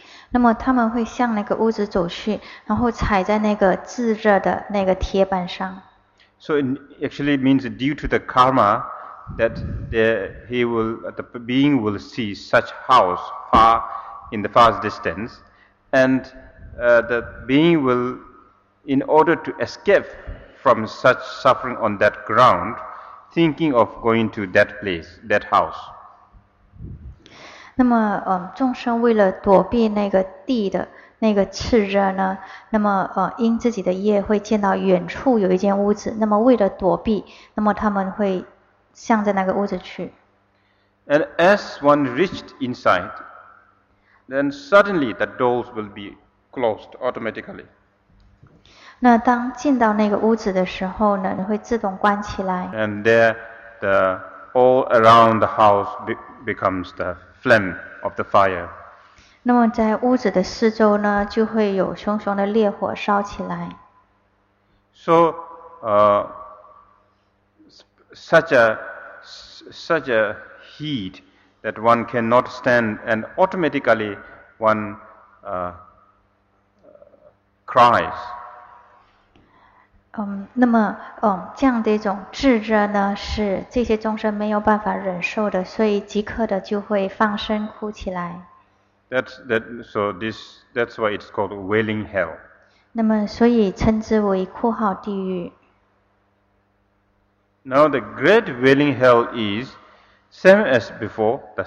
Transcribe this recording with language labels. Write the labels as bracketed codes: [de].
[zh] 那么他们会向那个屋子走去，然后踩在那个炙热的那个铁板上。 [en] So it actually means due to the karma that the being will see such house far in the far distance, and the being will, in order to escape from such suffering on that ground, thinking of going to that place, that house. [zh] 那么众生为了躲避那个地的那个炽热呢，那么因自己的业会见到远处有一间屋子，那么为了躲避，那么他们会向着那个屋子去。 [en] And as one reached inside, then suddenly the doors will be closed automatically. [zh] 那当进到那个屋子的时候呢，会自动关起来。 [en] And there, the all around the house becomes the flame of the fire. [zh] 那么在屋子的四周呢，就会有熊熊的烈火烧起来。 [en] So, such a heat that one cannot stand, and automatically one cries. [zh] 那么这样的一种炙热呢，是这些众生没有办法忍受的，所以即刻的就会放声哭起来。 [en] That's why it's called wailing hell. [zh] 那么所以称之为哭号地狱。 [en] Now the great wailing hell is same as before.